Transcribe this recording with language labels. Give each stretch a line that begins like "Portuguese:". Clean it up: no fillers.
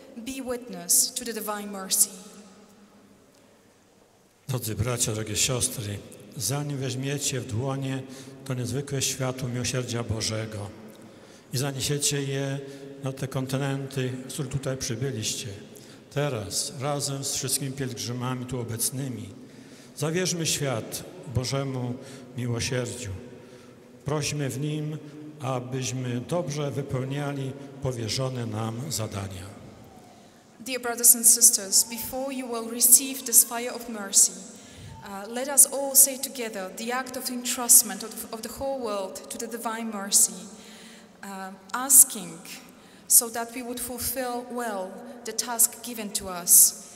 English: Be witness to the divine mercy.
Polish: Drodzy bracia, drogie siostry, zanim weźmiecie w dłonie to niezwykłe światło miłosierdzia Bożego i zaniesiecie je na te kontynenty, z których tutaj przybyliście, teraz razem z wszystkimi pielgrzymami tu obecnymi, zawierzmy świat Bożemu miłosierdziu. Prośmy w nim, abyśmy dobrze wypełniali powierzone nam zadania.
English: Dear brothers and sisters, before you will receive this fire of mercy, let us all say together the act of entrustment of the whole world to the divine mercy, asking so that we would fulfill well the task given to us.